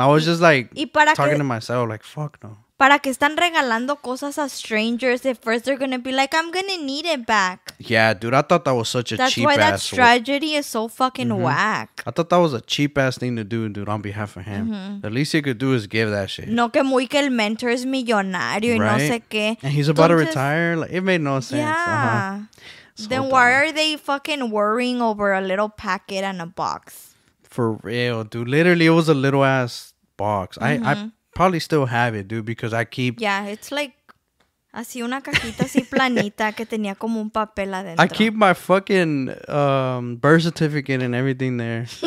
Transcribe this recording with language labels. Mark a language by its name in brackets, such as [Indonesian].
[English] I was just like talking to myself, like, fuck no. [Spanish] Para que están regalando cosas a [English] strangers if first they're going to be like, I'm going to need it back. Yeah, dude, I thought that was such a cheap ass. That's why that strategy is so fucking whack. I thought that was a cheap ass thing to do, dude, on behalf of him. Mm-hmm. The least he could do is give that shit. [Spanish] No que muy que el mentor es millonario y no sé qué. [English] And he's about to retire. Like, it made no sense. Yeah. Uh-huh. So then why are they fucking worrying over a little packet and a box? For real, dude. Literally, it was a little ass box. Mm-hmm. I probably still have it, dude, because I keep... Yeah, it's like... [Spanish] Así una cajita así planita que tenía como un papel adentro. [English] I keep my fucking birth certificate and everything there.